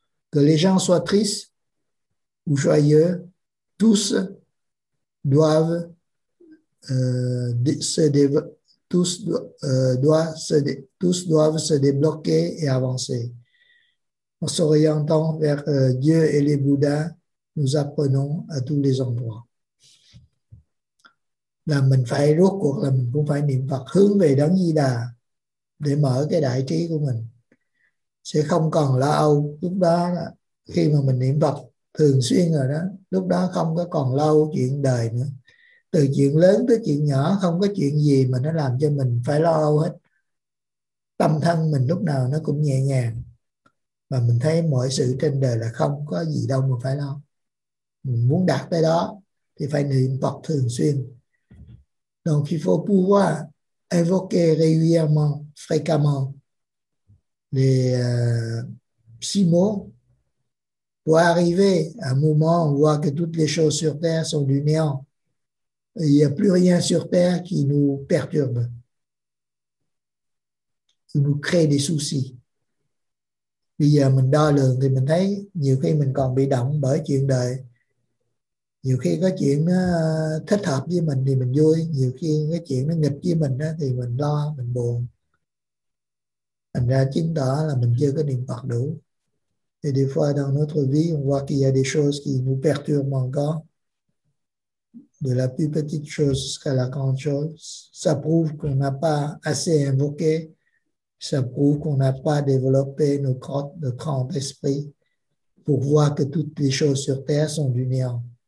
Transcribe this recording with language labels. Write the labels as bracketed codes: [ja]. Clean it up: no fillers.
[fr] Que les gens soient tristes ou joyeux, tous doivent se débloquer et avancer. En s'orientant vers Dieu et les Bouddhas, nous apprenons à tous les endroits. [vi] Là mình phải rốt cuộc là mình cũng phải niệm Phật, hướng về Đấng Di Đà để mở cái đại trí của mình, sẽ không còn lo âu. Lúc đó khi mà mình niệm Phật thường xuyên rồi đó, lúc đó không có còn lo âu chuyện đời nữa. Từ chuyện lớn tới chuyện nhỏ, không có chuyện gì mà nó làm cho mình phải lo âu hết. Tâm thân mình lúc nào nó cũng nhẹ nhàng, mà mình thấy mọi sự trên đời là không có gì đâu mà phải lo. Mình muốn đạt tới đó thì phải niệm Phật thường xuyên. [fr] Donc il faut pouvoir invoquer régulièrement, fréquemment, les six mots pour arriver à un moment où on voit que toutes les choses sur terre sont du néant. Il n'y a plus rien sur terre qui nous perturbe, qui nous crée des soucis. [vi] Bây giờ mình đo lường thì mình thấy nhiều khi mình còn bị động bởi chuyện đời. Nhiều khi có chuyện nó thích hợp với mình thì mình vui, nhiều khi cái chuyện nó nghịch với mình thì mình lo, mình buồn. Thành ra chứng tỏ là mình chưa có niệm Phật đủ. [fr] Et des fois dans notre vie, on voit qu'il y a des choses qui nous perturbent encore. De la plus petite chose jusqu'à la grande chose. Ça prouve qu'on n'a pas assez invoqué. Ça prouve qu'on n'a pas développé notre grand esprit pour voir que toutes les choses sur terre sont du néant.